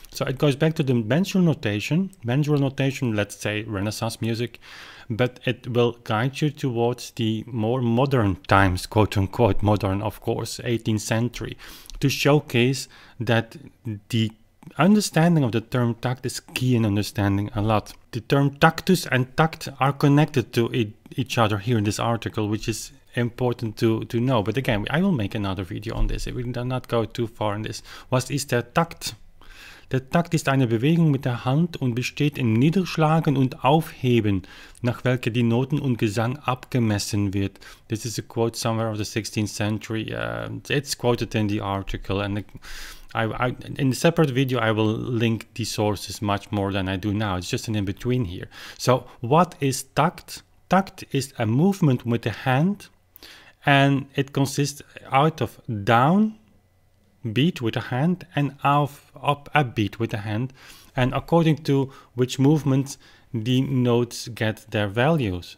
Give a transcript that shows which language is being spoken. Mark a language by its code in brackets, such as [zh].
[en] So it goes back to the mensural notation, let's say Renaissance music, but it will guide you towards the more modern times, quote-unquote modern, of course, 18th century, to showcase that the understanding of the term takt is key in understanding a lot. The term taktus and takt are connected to each other here in this article, which is important to know. But again, I will make another video on this. We do not go too far in this. [de] Was ist der Takt? Der Takt ist eine Bewegung mit der Hand und besteht im Niederschlagen und Aufheben, nach welcher die Noten und Gesang abgemessen wird. [en] This is a quote somewhere of the 16th century. It's quoted in the article. And in a separate video, I will link the sources much more than I do now. It's just an in-between here. So what is takt? Takt is a movement with the hand, and it consists out of down beat with a hand and up a beat with a hand, and according to which movement the notes get their values.